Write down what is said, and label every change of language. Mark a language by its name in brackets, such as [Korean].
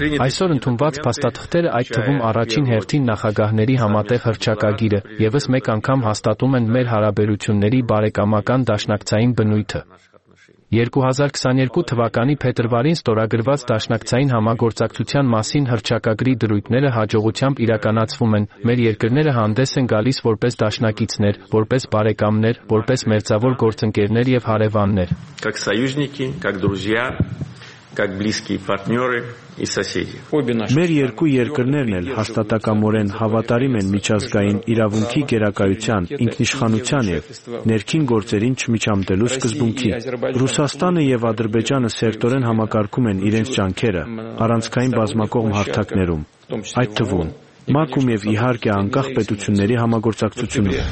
[Armenian] Այսօր ընդունված փաստաթղթերը, այդ թվում առաջին հերթին նախագահների համատեղ հռչակագիրը, ևս մեկ անգամ հաստատում են մեր հարաբերությունների բարեկամական դաշնակցային բնույթը։ 2022 թվականի փետրվարին ստորագրված դաշնակցային համագործակցության մասին հռչակագրի դրույթները հաջողությամբ իրականացվում են, մեր երկրները հանդես են գալիս որպես դաշնակիցներ, որպես բարեկամներ, որպես մերձավոր գործընկերներ և հարևաններ։ [Russian] Как союзники, как друзья, как близкие партнеры и соседи. [Armenian] Մեր երկու երկրներն էլ հաստատակամորեն հավատարիմ են միջազգային իրավունքի գերակայության, ինքնիշխանության եւ ներքին գործերին չմիջամտելու սկզբունքի։ Ռուսաստանը եւ Ադրբեջանը սերտորեն համակարգում են իրենց ջանքերը առանցքային բազմակողմ հարթակներում, այդ թվում Մակում եւ իհարկե անկախ պետությունների համագործակցությունը։